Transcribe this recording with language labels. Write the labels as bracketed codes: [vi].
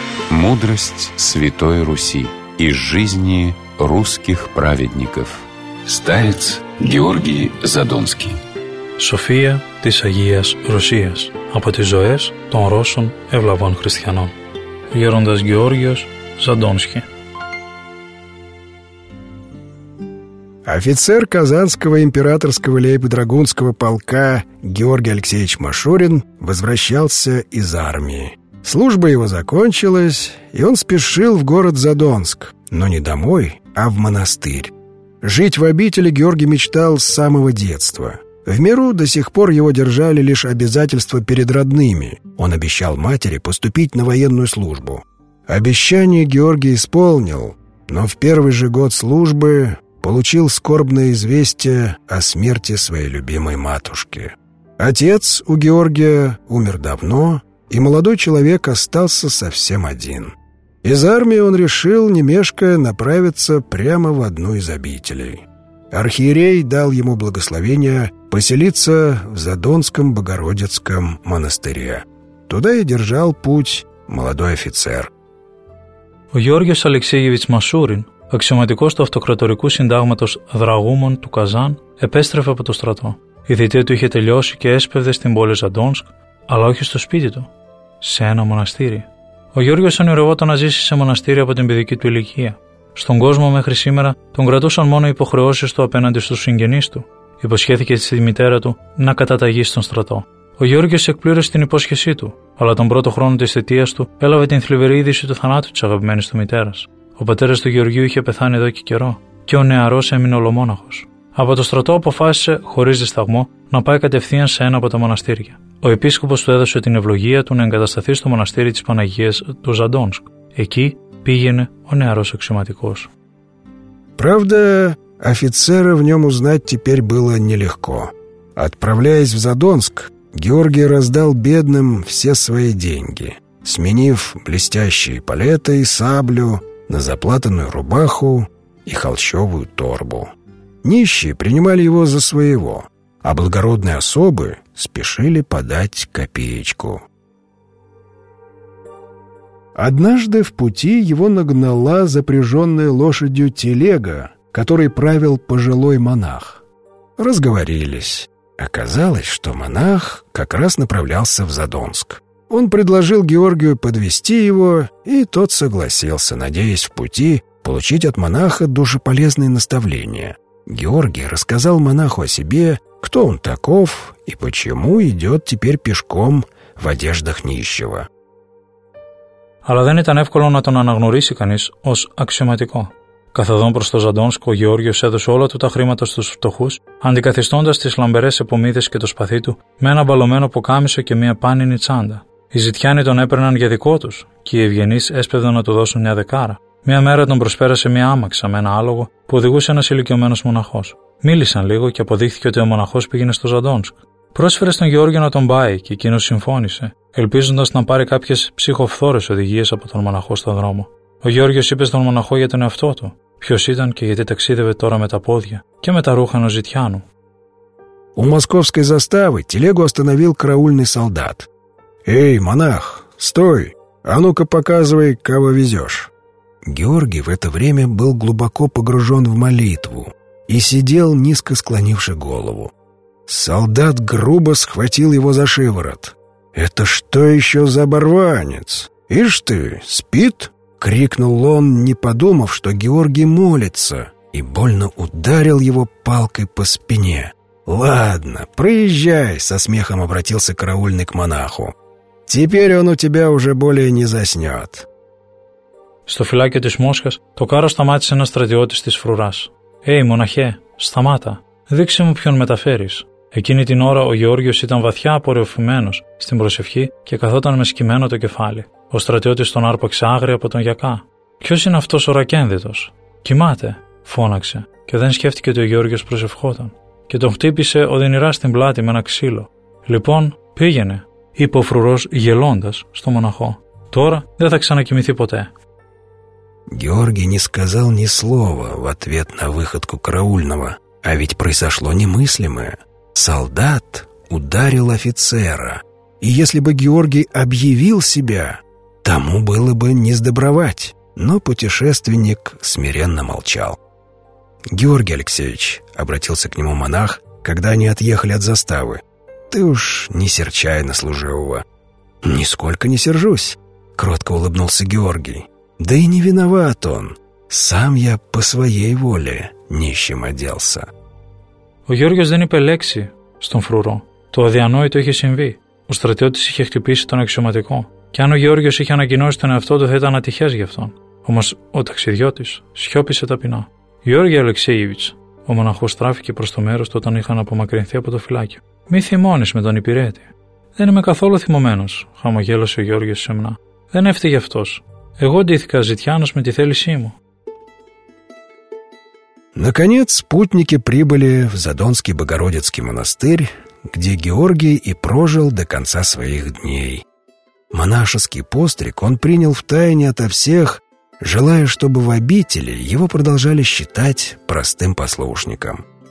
[ru] Мудрость Святой Руси из жизни русских праведников. Старец Георгий Задонский. [el] Σοφία της Αγίας Ρωσίας από τις ζωές των Ρώσων ευλαβών χριστιανών. Γέροντας Γεώργιος Ζαντόνσκι. [ru] Офицер Казанского императорского лейб-драгунского полка Георгий Алексеевич Машурин возвращался из армии. Служба его закончилась, и он спешил в город Задонск, но не домой, а в монастырь. Жить в обители Георгий мечтал с самого детства. В миру до сих пор его держали лишь обязательства перед родными. Он обещал матери поступить на военную службу. Обещание Георгий исполнил, но в первый же год службы получил скорбное известие о смерти своей любимой матушки. Отец у Георгия умер давно, и молодой человек остался совсем один. Из армии он решил, не мешкая, направиться прямо в одну из обителей. Архиерей дал ему благословение поселиться в Задонском Богородицком монастыре. Туда и держал путь молодой офицер. [el] Ο Γιώργος Αλεξέγεβιτς Μασούριν, αξιωματικός του Αυτοκρατορικού Συντάγματος Δραγούμων του Καζάν, επέστρεφε από το στρατό. Η θητεία του είχε τελειώσει και έσπευδε στην πόλη Ζαντόνσκ, αλλά όχι στο σπίτι του, σε ένα μοναστήρι. Ο Γιώργος ονειρευόταν να ζήσει σε μοναστήρι από την παιδική του ηλικία. Στον κόσμο μέχρι σήμερα τον κρατούσαν μόνο οι υποχρεώσεις του απέναντι στους συγγενείς του. Υποσχέθηκε στη μητέρα του να καταταγεί στον στρατό. Ο Γιώργος εκπλήρωσε την υπόσχεσή του, αλλά τον πρώτο χρόνο της θητείας του έλαβε την θλιβερή είδηση του θανάτου της αγαπημένης του μητέρας. Ο πατέρας του Γεωργίου είχε πεθάνει εδώ και καιρό, και ο νεαρός έμεινε ολομόναχος. Από το στρατό αποφάσισε, χωρίς δισταγμό, να πάει κατευθείαν σε ένα από τα μοναστήρια. Ο επίσκοπος του έδωσε την ευλογία του να εγκατασταθεί στο μοναστήρι της Παναγίας του Ζαντόνσκ. Εκεί πήγαινε ο νεαρός αξιωματικός. [ru] Правда, офицера в нем узнать теперь было нелегко. Отправляясь в Задонск, Георгий раздал бедным все свои деньги, сменив блестящие палеты и саблю на заплатанную рубаху и холщовую торбу. Нищие принимали его за своего, а благородные особы спешили подать копеечку. Однажды в пути его нагнала запряженная лошадью телега, которой правил пожилой монах. Разговорились. Оказалось, что монах как раз направлялся в Задонск. Он предложил Георгию подвести его, и тот согласился, надеясь в пути получить от монаха душеполезные наставления. Георгий рассказал монаху о себе, кто он таков и почему идет теперь пешком в одеждах нищего. [el] Αλλά δεν ήταν εύκολο να τον αναγνωρίσει κανείς ως αξιωματικό. Καθοδόν προς το Ζαντόνσκο, ο Γεώργιος έδωσε όλα του τα χρήματα στους φτωχούς, αντικαθιστώντας τις λαμπερές επομίδες και το σπαθί του με ένα μπαλωμένο ποκάμισο και μια πάνινη τσάντα. Οι ζητιάνοι τον έπαιρναν για δικό τους και οι ευγενείς έσπευδαν να του δώσουν μια δεκάρα. Μια μέρα τον προσπέρασε μια άμαξα με ένα άλογο που οδηγούσε ένας ηλικιωμένος μοναχός. Μίλησαν λίγο και αποδείχθηκε ότι ο μοναχός πήγαινε στο Ζαντόνσκ. Πρόσφερε στον Γεώργιο να τον πάει και εκείνος συμφώνησε, ελπίζοντας να πάρει κάποιες ψυχοφθόρες οδηγίες από τον μοναχό στον δρόμο. Ο Γεώργιος είπε στον μοναχό για τον εαυτό του, ποιος ήταν και γιατί ταξίδευε τώρα με τα πόδια και με τα ρούχα ενός ζητιάνου. [ru] У московской заставы телегу остановил караульный солдат. «Эй, монах, стой! А ну-ка показывай, кого везешь!» Георгий в это время был глубоко погружен в молитву и сидел, низко склонивши голову. Солдат грубо схватил его за шиворот. «Это что еще за оборванец? Ишь ты, спит?» — крикнул он, не подумав, что Георгий молится, и больно ударил его палкой по спине. «Ладно, проезжай!» — со смехом обратился караульный к монаху. «Теперь он у тебя уже более не заснет». [el] Στο φυλάκιο της Μόσχας το κάρο σταμάτησε ένας στρατιώτης της Φρουράς. «Ει, μοναχέ, σταμάτα. Δείξε μου ποιον μεταφέρεις». Εκείνη την ώρα ο Γεώργιος ήταν βαθιά απορροφημένος στην προσευχή και καθόταν με σκυμμένο το κεφάλι. Ο στρατιώτης τον άρπαξε άγρια από τον γιακά. «Ποιος είναι αυτός ο ρακένδυτος? Κοιμάται», φώναξε, και δεν σκέφτηκε ότι ο Γεώργιος προσευχόταν. Και τον χτύπησε οδυνηρά στην πλάτη με ένα ξύλο. «Λοιπόν, πήγαινε», είπε ο φρουρός γελώντας στο μοναχό. «Τώρα δεν θα ξανακοιμηθεί ποτέ». [ru] Георгий не сказал ни слова в ответ на выходку караульного, а ведь произошло немыслимое. Солдат ударил офицера, и если бы Георгий объявил себя, тому было бы не сдобровать, но путешественник смиренно молчал. «Георгий Алексеевич», — обратился к нему монах, когда они отъехали от заставы, — «ты уж не серчай на служивого». «Нисколько не сержусь», — кротко улыбнулся Георгий. «Да и не виноват он. Сам я по своей воле нищим оделся». [el] Ο Γεώργιος δεν είπε λέξη στον φρουρό. Το αδιανόητο είχε συμβεί. Ο στρατιώτης είχε χτυπήσει τον αξιωματικό. Και αν ο Γεώργιος είχε ανακοινώσει τον εαυτό του, θα ήταν ατυχές γι' αυτόν. Όμως ο ταξιδιώτης σιώπησε ταπεινά. «Γεώργιο Αλεξέιβιτς», ο μοναχός στράφηκε προς το μέρος του όταν είχαν απομακρυνθεί από το φυλάκιο. «Μη θυμώνεις με τον υπηρέτη». «Δεν είμαι καθόλου θυμωμένος», χαμογέλασε ο Γεώργιος σεμνά. «Δεν έφταιγε αυτός. Εγώ ντύθηκα ζητιάνος με τη θέλησή μου». [ru] Наконец путники прибыли в Задонский Богородицкий монастырь, где Георгий и прожил до конца своих дней. Монашеский постриг он принял втайне ото всех, желая, чтобы в обители его продолжали считать простым послушником.